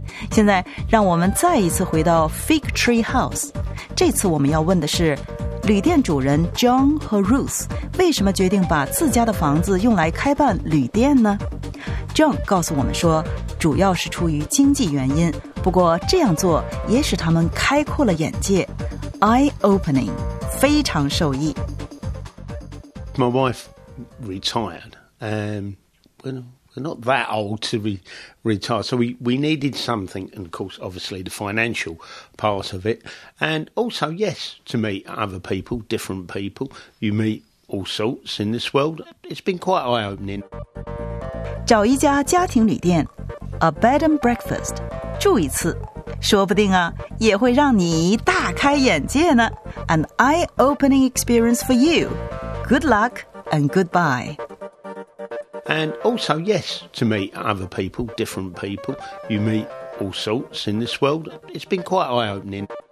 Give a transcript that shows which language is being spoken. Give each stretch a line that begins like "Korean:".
Chinese: 现在让我们再一次回到 Fig Tree House， 这次我们要问的是旅店主人 John 和 Ruth 为什么决定把自家的房子用来开办旅店呢？ John 告诉我们说，主要是出于经济原因，不过这样做也使他们开阔了眼界， Eye-opening，非常受益。
English: My wife retired, and we're not that old to be retired, so we needed something, and of course, obviously, the financial part of it, and also, yes, to meet other people, different people. You meet all sorts in this world. It's been quite eye-opening.
Chinese: 找一家家庭旅店 ，a bed and breakfast， 住一次。说不定啊，也会让你大开眼界呢。
English: An eye-opening experience for you. Good luck and goodbye. And also, yes, to meet other people, different people. You meet all sorts in this world. It's been quite eye-opening.